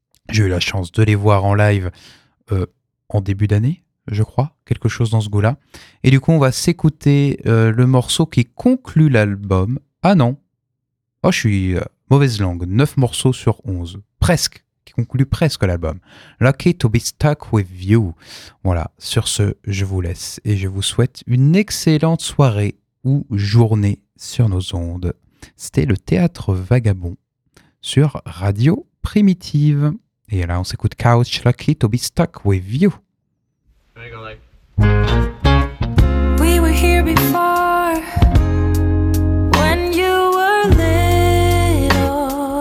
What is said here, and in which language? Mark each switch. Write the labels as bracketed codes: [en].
[fr] J'ai eu la chance de les voir en live en début d'année, je crois, quelque chose dans ce goût-là. Et du coup, on va s'écouter le morceau qui conclut l'album. Ah non, oh, je suis mauvaise langue, 9 morceaux sur 11, presque, qui conclut presque l'album. [en] Lucky to be stuck with you. [fr] Voilà, sur ce, je vous laisse et je vous souhaite une excellente soirée ou journée sur nos ondes. C'était le Théâtre Vagabond sur Radio Primitive. Et là, on s'écoute Couch, Lucky to be stuck with you. [en] We were here before when you were little.